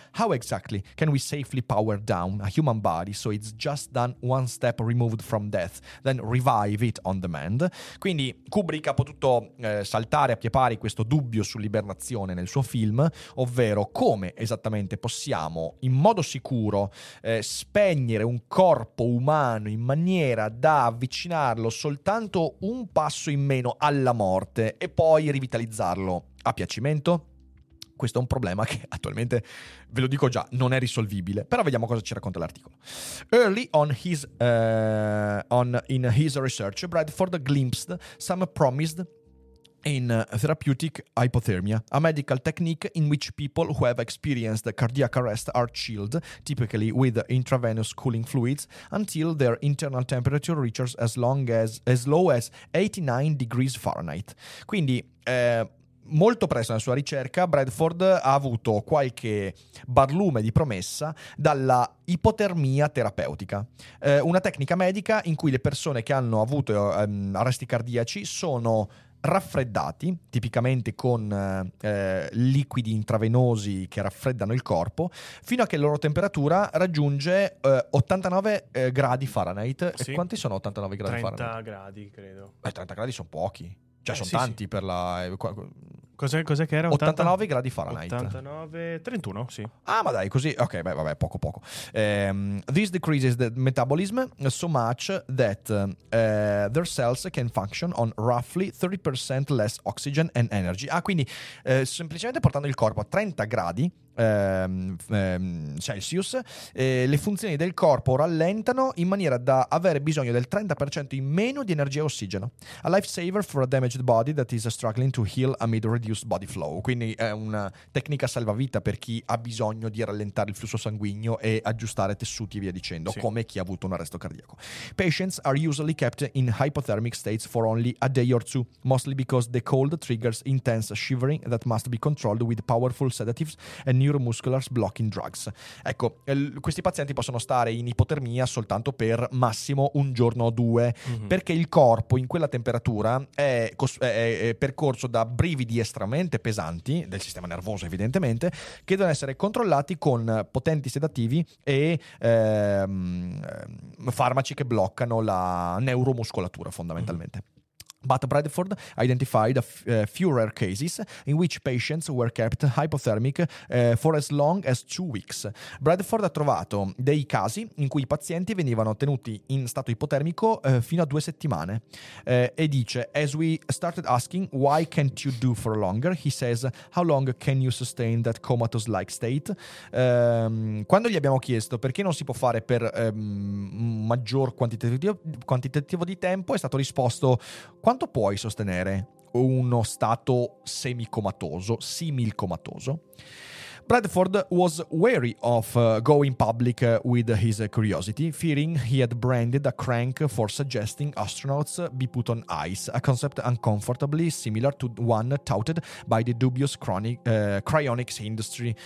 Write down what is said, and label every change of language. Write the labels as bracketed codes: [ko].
[en] How exactly can we safely power down a human body so it's just done one step removed from death, then revive it on demand? [it] Quindi Kubrick ha potuto saltare a pie pari questo dubbio sull'ibernazione nel suo film, ovvero come esattamente possiamo in modo sicuro spegnere un corpo umano in maniera da avvicinarlo soltanto un passo in meno alla morte e poi rivitalizzarlo a piacimento. Questo è un problema che attualmente, ve lo dico già, non è risolvibile. Però vediamo cosa ci racconta l'articolo. [en] Early on his in his research, Bradford glimpsed some promised in therapeutic hypothermia, a medical technique in which people who have experienced cardiac arrest are chilled, typically with intravenous cooling fluids, until their internal temperature reaches as low as 89 degrees Fahrenheit. [it] Quindi, molto presto nella sua ricerca, Bradford ha avuto qualche barlume di promessa dalla ipotermia terapeutica, una tecnica medica in cui le persone che hanno avuto arresti cardiaci sono raffreddati, tipicamente con liquidi intravenosi che raffreddano il corpo, fino a che la loro temperatura raggiunge 89 gradi Fahrenheit. Sì. E quanti sono 89 gradi 30 Fahrenheit? 30 gradi, credo. 30 gradi sono pochi. Cioè, sono tanti per la... Cos'è che era? 89 gradi Fahrenheit. 89, 31, sì. Ah, ma dai, così. Ok, beh, vabbè, poco poco. [en] This decreases the metabolism so much that their cells can function on roughly 30% less oxygen and energy. [it] Ah, quindi, semplicemente portando il corpo a 30 gradi Celsius, le funzioni del corpo rallentano in maniera da avere bisogno del 30% in meno di energia e ossigeno. [en] A lifesaver for a damaged body that is struggling to heal amid reduced body flow. [it] Quindi è una tecnica salvavita per chi ha bisogno di rallentare il flusso sanguigno e aggiustare tessuti e via dicendo, sì. Come chi ha avuto un arresto cardiaco. [en] Patients are usually kept in hypothermic states for only a day or two, mostly because the cold triggers intense shivering that must be controlled with powerful sedatives and neuromuscular blocking drugs. [it] Ecco, questi pazienti possono stare in ipotermia soltanto per massimo un giorno o due, mm-hmm. perché il corpo in quella temperatura è percorso da brividi estremamente pesanti, del sistema nervoso evidentemente, che devono essere controllati con potenti sedativi e farmaci che bloccano la neuromuscolatura fondamentalmente. Mm-hmm. [en] But Bradford identified few rare cases in which patients were kept hypothermic for as long as 2 weeks. [it] Bradford ha trovato dei casi in cui i pazienti venivano tenuti in stato ipotermico fino a 2 settimane. E dice, [en] as we started asking why can't you do for longer, he says, how long can you sustain that comatose-like state? [it] Quando gli abbiamo chiesto perché non si può fare per maggior quantitativo di tempo, è stato risposto, quanto puoi sostenere uno stato semicomatoso, similcomatoso? [en] Bradford was wary of going public with his curiosity, fearing he had branded a crank for suggesting astronauts be put on ice, a concept uncomfortably similar to one touted by the dubious cryonics industry.